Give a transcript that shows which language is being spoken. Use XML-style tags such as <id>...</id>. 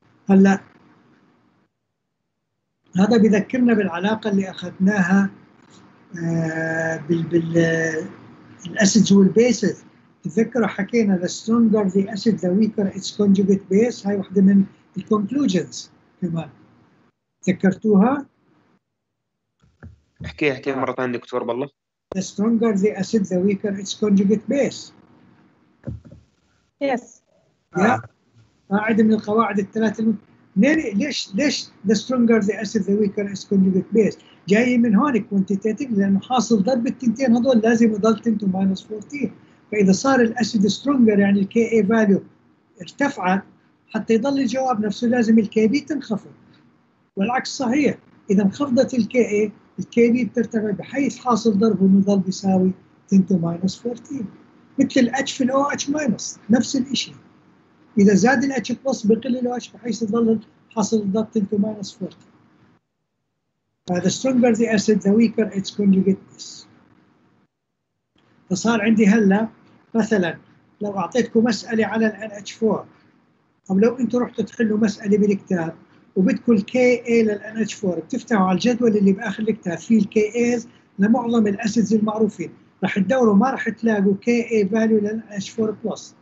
<ar>هلا هذا بذكرنا بالعلاقه اللي اخذناها بالأسيدز والبيسز، تذكروا حكينا</ar> <en>the stronger the acid the weaker its conjugate base،</en> <ar>هاي واحدة من الـ conclusions كمان، تذكرتوها؟ احكيها احكيها مرة ثانية دكتور بالله.</ar> <en>the stronger the acid the weaker its conjugate base. yes.</en> <ar>قاعدة من القواعد الثلاثة. ليش</ar> <en>the stronger the acid the weaker its conjugate base؟</en> <ar>جاي من هون كوانتيتاتيف، لانه حاصل ضرب التنتين هذول لازم يضل 10 تو ماينس 14، فاذا صار الاسيد سترونجر يعني الكي اي فاليو ارتفعت، حتى يضل الجواب نفسه لازم الكي بي تنخفض، والعكس صحيح، اذا انخفضت الكي اي الكي بي بترتفع، بحيث حاصل ضربه يضل بيساوي 10 تو ماينس 14 مثل الاتش في الاو اتش ماينس، نفس الشيء اذا زاد الاتش بلس بقل الاو اتش، بحيث يضل حاصل ضرب 10 تو ماينس 14.</ar> <en>The stronger the acid, the weaker its conjugateness.</en> <ar>فصار عندي هلا مثلا لو اعطيتكم مسألة على الـ NH4، أو لو أنتم رحتوا تحلوا مسألة بالكتاب وبدكم الـ KA للـ NH4، بتفتحوا على الجدول اللي بآخر الكتاب فيه الـ KAs لمعظم الأسيدز المعروفين، رح تدوروا ما رح تلاقوا KA value للـ NH4 plus.</ar>